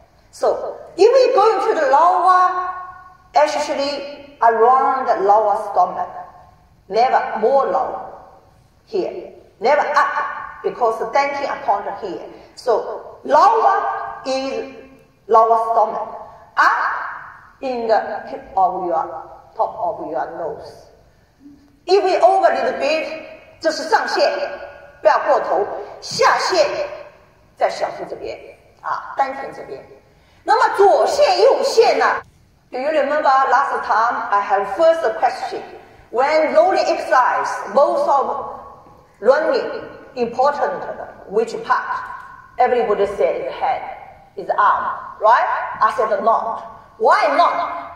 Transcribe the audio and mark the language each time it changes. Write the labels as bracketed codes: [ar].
[en] So if we go to the lower, actually around the lower stomach, never more low here, never up because 丹田 apart here. So lower is lower stomach. Up in the tip of your top of your nose. If we over a little bit, [zh] 这是上线，不要过头。下线在小腹这边啊，丹田这边。那么左线右线呢？ [en] Do you remember last time I have first question? When rolling exercise, both of running important, which part? Everybody said the head. Is arm, right? I said not. Why not?